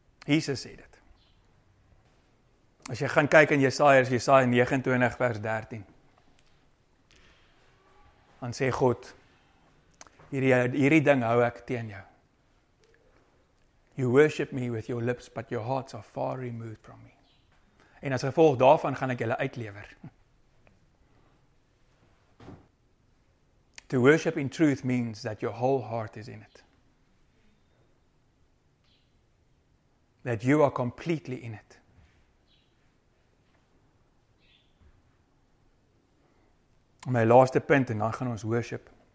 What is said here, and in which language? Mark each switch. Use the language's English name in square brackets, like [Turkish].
[Afrikaans] Jesus sê dit. As jy gaan kyk in Jesaja, Jesaja 29 vers 13, dan sê God, hierdie ding hou ek teen jou. [English] You worship me with your lips, but your hearts are far removed from me. [Afrikaans] En as gevolg daarvan gaan ek julle uitlewer. [English] To worship in truth means that your whole heart is in it. That you are completely in it. [Afrikaans] My laaste punt en dan gaan ons worship.